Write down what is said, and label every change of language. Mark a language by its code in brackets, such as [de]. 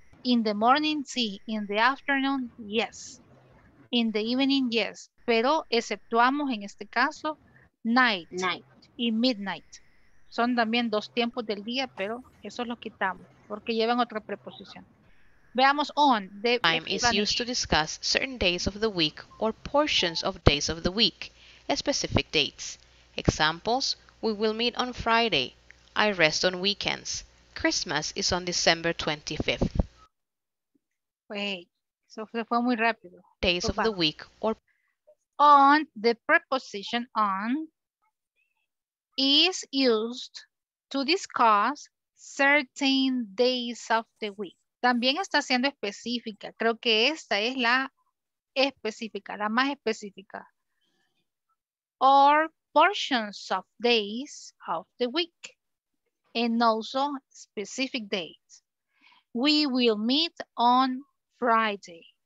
[en] In the morning, [es] sí. [en] In the afternoon, yes. In the evening, yes. [es] Pero exceptuamos en este caso night, [en] night [es] y midnight. Son también dos tiempos del día, pero eso lo quitamos porque llevan otra preposición. Veamos on. [en] The time is used to discuss certain days of the week or portions of days of the week, specific dates. Examples, we will meet on Friday. I rest on weekends. Christmas is on December 25th. Wait, [es] eso fue muy rápido. [en] Days of the week or... On, the preposition on, is used to discuss certain days of the week. [es] También está siendo específica. Creo que esta es la específica, la más específica. [en] Or portions of days of the week. And also specific dates. We will meet on Friday.